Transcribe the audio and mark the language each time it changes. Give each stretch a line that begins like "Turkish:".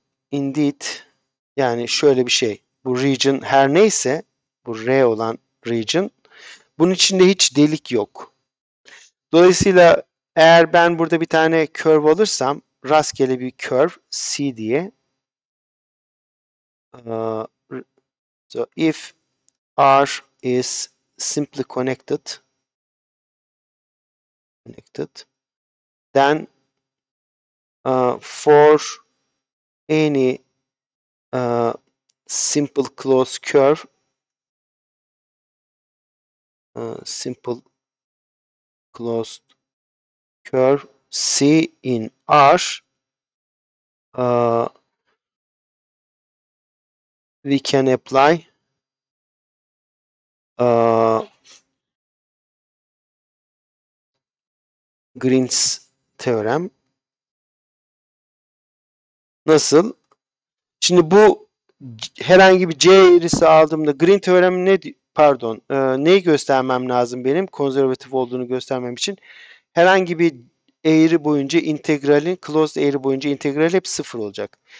Turkish: Indeed, yani şöyle bir şey. Bu region her neyse, bu R olan region, bunun içinde hiç delik yok. Dolayısıyla eğer ben burada bir tane curve alırsam, rastgele bir curve C diye.
English: So if R is simply connected, then for any simple closed curve, simple closed curve C in R, we can apply Green's teorem.
Turkish: Nasıl? Şimdi bu herhangi bir C eğrisi aldığımda Green teorem ne, pardon, neyi göstermem lazım benim konservatif olduğunu göstermem için? Herhangi bir eğri boyunca integralin closed eğri boyunca integral hep sıfır olacak.